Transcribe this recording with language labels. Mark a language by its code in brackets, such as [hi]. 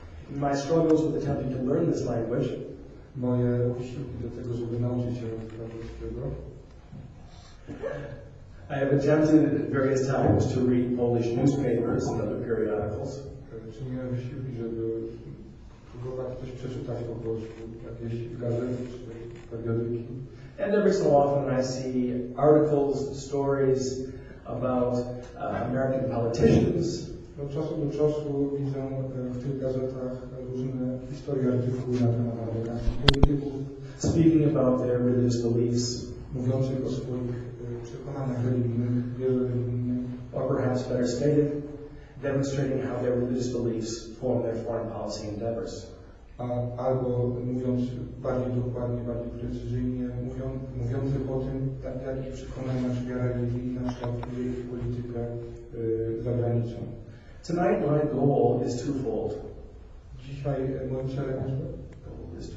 [en] My struggles with attempting to learn this language. [pl] Moje usiłki do tego, żeby nauczyć się polskiego. [en] I have attempted at various times to read Polish newspapers and other periodicals. [pl] Czyniłem wysiłki, żeby próbować coś przeczytać po polsku, jakieś gazety czy periodyki. [en] And every so often I see articles, stories about American politicians. [pl] Od czasu do czasu widzę w tych gazetach różne historie, artykuły na temat amerykańskich polityków. [en] Speaking about their religious beliefs. [pl] Mówiących o swoich przekonaniach religijnych, wierzeniach. [en] Or perhaps better stated, demonstrating how their religious beliefs form their foreign policy endeavors. [pl] Albo mówiąc bardziej dokładnie, bardziej precyzyjnie, mówiących o tym, jak ich przekonania czy wiara religijna kształtuje ich politykę za granicą. [en] Tonight my goal is twofold. [pl] Dzisiaj moim celem jest